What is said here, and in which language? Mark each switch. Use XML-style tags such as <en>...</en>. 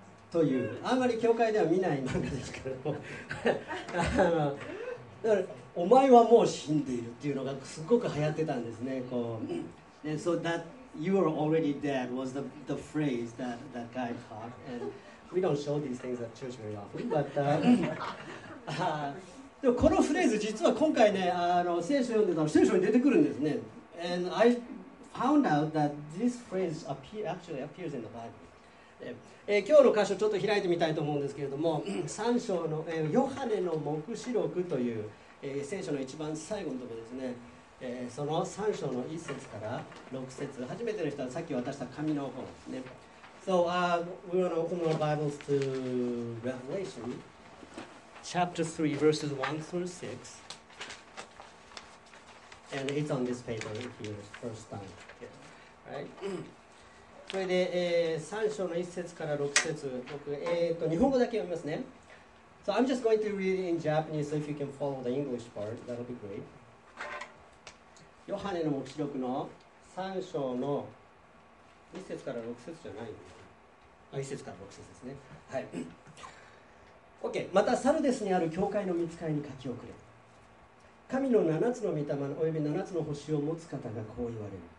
<ja>という、あまり教会では見ない漫画ですけども。だから、お前はもう死んでいるっていうのがすごく流行ってたんですね。</ja> <en>こう、And so that you are already dead was the phrase that that guy talked and. We don't show these things at church very often, but</en> <ja>でもこのフレーズ実は今回ね、聖書読んでたら聖書に出てくるんですね。</ja> <en>And I found out that this phrase actually appears in the Bible.</en> <ja>今日の箇所ちょっと開いてみたいと思うんですけれども、3章の、ヨハネの黙示録という、聖書の一番最後のところですね。その3章の1節から6節。初めての人はさっき渡した紙の方ですね。</ja> <en>So we want to open our Bibles to Revelation, chapter 3, verses 1 through 6. And it's on this paper if you're first time. Right?</en> <ja>それで、3章の1節から6節、僕、日本語だけ読みますね。</ja> <en>So I'm just going to read in Japanese, so if you can follow the English part, that'll be great.</en> <ja>ヨハネの黙示録の3章の1節から6節じゃない。 1節から6節ですね、はい、OK、またサルデスにある教会の御使いに書き送れ。神の7つの御霊のおよび7つの星を持つ方がこう言われる。</ja>